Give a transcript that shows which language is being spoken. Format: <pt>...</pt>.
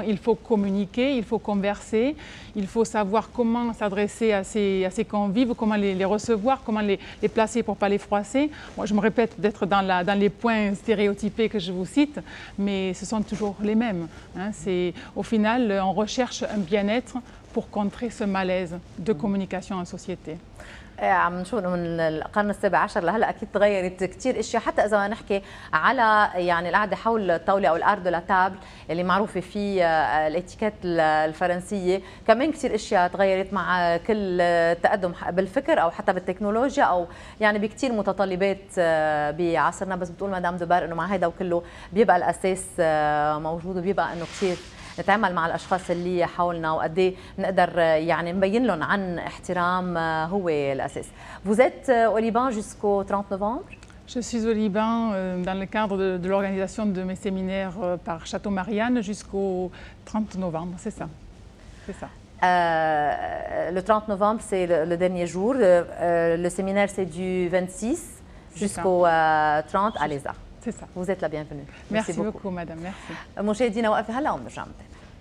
<fr>Il faut communiquer, il faut converser, il faut savoir comment s'adresser à ses convives, comment les recevoir, comment les placer pour ne pas les froisser. Moi, je me répète peut-être dans les points stéréotypés que je vous cite, mais ce sont toujours les mêmes. Au final, on recherche un bien-être pour contrer ce malaise de communication en société.</fr> <ar>عم نشوف انه من القرن السابع عشر لهلا اكيد تغيرت كثير اشياء حتى اذا نحكي على يعني القعده حول الطاوله او الارض لا تابل اللي معروفه في الاتيكيت الفرنسيه كمان كثير اشياء تغيرت مع كل تقدم بالفكر او حتى بالتكنولوجيا او يعني بكثير متطلبات بعصرنا بس بتقول مدام دوبار انه مع هيدا وكله بيبقى الاساس موجود وبيبقى انه كثير نتعامل مع الأشخاص اللي حولنا وقدي نقدر يعني نبين لهم عن احترام هو الأساس.</ar> <fr>Vous êtes au Liban jusqu'au 30 novembre? Je suis au Liban dans le cadre de l'organisation de mes séminaires par Château Marianne jusqu'au 30 novembre, c'est ça. C'est ça. Le 30 novembre, c'est le dernier jour. Le séminaire, c'est du 26 jusqu'au 30 à l'ESA. C'est ça. Vous êtes la bienvenue. Merci beaucoup, madame. Merci.</fr> <ar>مشاهدينا وقفي هلا ومرجع متابعة.</ar>